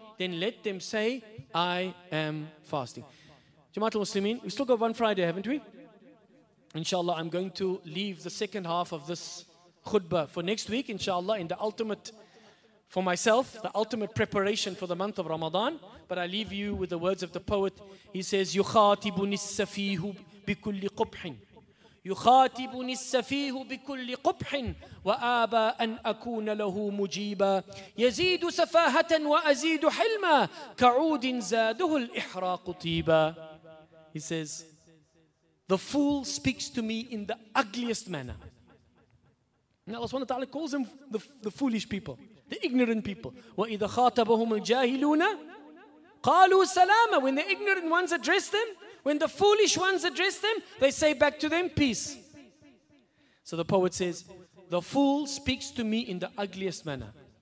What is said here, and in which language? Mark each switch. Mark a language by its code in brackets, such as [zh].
[en] Then let them say, I am fasting. Jamaat al-Muslimin, we still got one Friday, haven't we? Inshallah, I'm going to leave the second half of this khutbah for next week, inshallah, in the ultimate, for myself, the ultimate preparation for the month of Ramadan. But I leave you with the words of the poet. He says, [ar] يُخَاتِبُنِ السَّفِيهُ بِكُلِّ قُبْحٍ. يُخَاتِبُنِ السَّفِيهُ بِكُلِّ قُبْحٍ وَآبَى أَنْ أَكُونَ لَهُ مُجِيبًا يَزِيدُ سَفَاهَةً وَأَزِيدُ حِلْمًا كَعُودٍ زَادُهُ الْإِحْرَاقُ طِيبًا. [en] He says, the fool speaks to me in the ugliest manner. And Allah SWT calls him the foolish people, the ignorant people. [ar] وَإِذَا خَاتَبَهُمُ الْجَاهِلُونَ قَالُوا سَلَامًا. [en] When the ignorant ones address them, when the foolish ones address them, they say back to them, peace. So the poet says, the fool speaks to me in the ugliest manner.